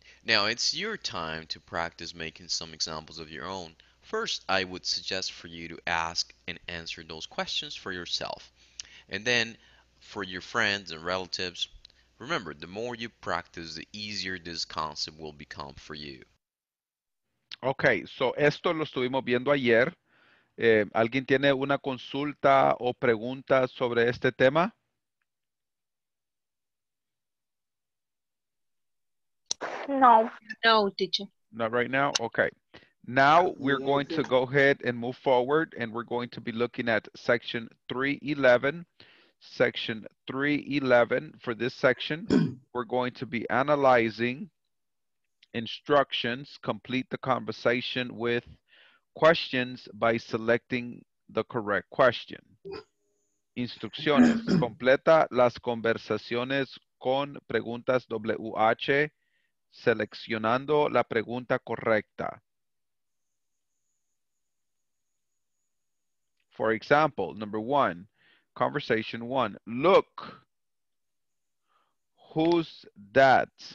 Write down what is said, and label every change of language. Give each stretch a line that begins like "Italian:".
English: Now it's your time to practice making some examples of your own. First, I would suggest for you to ask and answer those questions for yourself. And then for your friends and relatives, remember, the more you practice, the easier this concept will become for you. Okay, so
Spanish: esto lo estuvimos viendo ayer. ¿Alguien tiene una consulta o pregunta sobre este tema? No. No, teacher.
English: Not right now? Okay. Now we're going to go ahead and move forward, and we're going to be looking at section 311. Section 311, for this section, we're going to be analyzing instructions, complete the conversation with questions by selecting the correct question.
Spanish: Instrucciones, completa las conversaciones con preguntas WH, seleccionando la pregunta correcta.
English: For example, number one, conversation one, look, who's that?